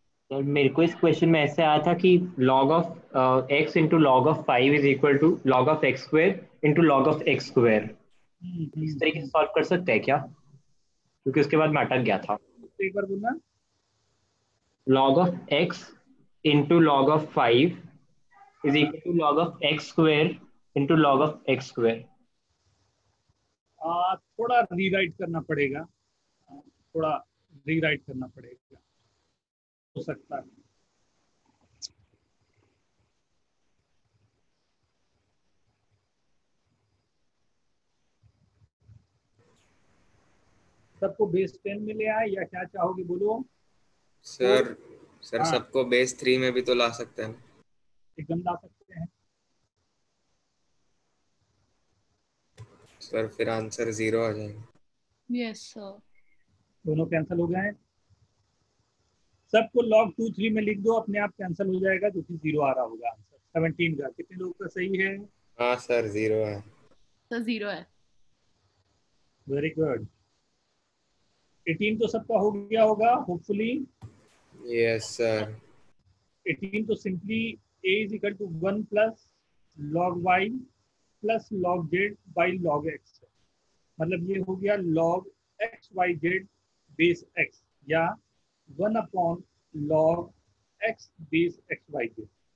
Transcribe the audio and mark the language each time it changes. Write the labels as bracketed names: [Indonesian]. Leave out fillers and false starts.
[Hindi] Sir मेरे को इस क्वेश्चन में ऐसे आया था कि [English] log of x into log of 5 is equal to log of x square [Hindi] into log of x square, इस तरीके से सॉल्व कर सकते हैं क्या, क्योंकि उसके बाद मैटर गया था। एक बार बोलना, [English] log of x into log of 5 is equal to log of x square into log of x square। [Hindi] थोड़ा रीराइट करना पड़ेगा, थोड़ा रीराइट करना पड़ेगा, हो सकता है। सबको बेस 10 में ले आए या क्या चाहोगे बोलो सर? सर हाँ। सबको बेस 3 में भी तो ला सकते हैं, एकदम ला सकते हैं सर, फिर आंसर 0 आ जाएगा। यस सर, दोनों कैंसिल हो गए हैं, सबको लॉग 2-3 में लिख दो, अपने आप कैंसिल हो जाएगा, जो कि 0 आ रहा होगा आंसर 17 का। कितने लोग का सही है? हाँ सर 0 है। तो 0 है, वेरी गुड। 18 तो सबका हो गया होगा होपफुली। Yes sir. 18 तो simply a is equal to 1 plus log y plus log z bye log x, मतलब ये हो गया log x y z base x, या 1 upon log x base x y base,